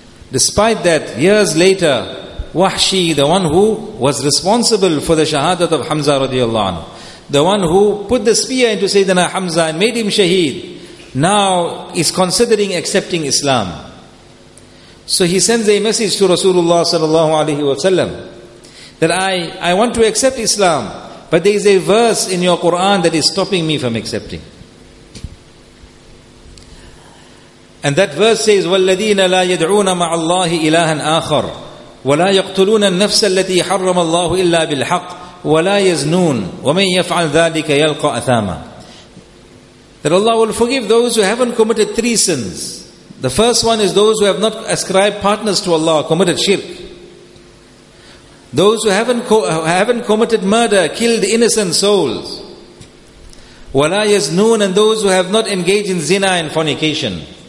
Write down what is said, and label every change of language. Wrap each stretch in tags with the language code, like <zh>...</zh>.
<en>Despite that, years later, Wahshi, the one who was responsible for the shahadat of Hamza radiallahu anhu, the one who put the spear into Sayyidina Hamza and made him shaheed, now is considering accepting Islam. So he sends a message to Rasulullah sallallahu alaihi wasallam that I want to accept Islam, but there is a verse in your Quran that is stopping me from accepting. And that verse says,</en> <ar>وَالَّذِينَ لَا يَدْعُونَ مَعَ اللَّهِ إِلَهًا آخَرَ وَلَا يَقْتُلُونَ النَّفْسَ الَّتِي حَرَّمَ اللَّهُ إِلَّا بِالْحَقِّ وَلَا يَزْنُونَ وَمَنْ يَفْعَلْ ذَلِكَ يَلْقَ أَثَامًا.</ar> <en>That Allah will forgive those who haven't committed three sins. The first one is those who have not ascribed partners to Allah, committed shirk. Those who haven't committed murder, killed innocent souls.</en> <ar>وَلَا يَزْنُونَ,</ar> <en>and those who have not engaged in zina and fornication.</en>